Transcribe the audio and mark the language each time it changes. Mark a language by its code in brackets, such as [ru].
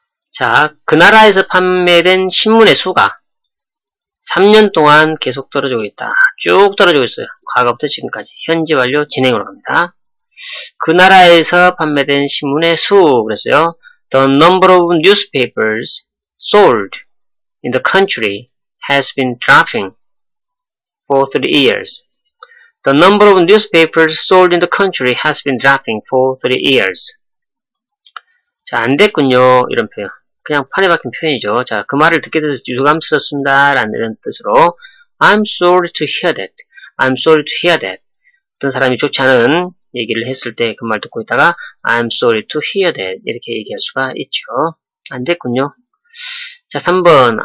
[ko] 자, 그 나라에서 판매된 신문의 수가 3년 동안 계속 떨어지고 있다. 쭉 떨어지고 있어요. 과거부터 지금까지. 현재 완료 진행으로 갑니다. 그 나라에서 판매된 신문의 수, 그랬어요. [en] The number of newspapers sold in the country has been dropping for 3 years. The number of newspapers sold in the country has been dropping for 3 years. [ko] 자, 안 됐군요. 이런 표현. 그냥 판에 박힌 표현이죠. 자, 그 말을 듣게 돼서 유감스럽습니다. 라는 뜻으로 [en] I'm sorry to hear that. I'm sorry to hear that. [ko] 어떤 사람이 좋지 않은 얘기를 했을 때 그 말 듣고 있다가 [en] I'm sorry to hear that. [ko] 이렇게 얘기할 수가 있죠. 안 됐군요. 자, 3번.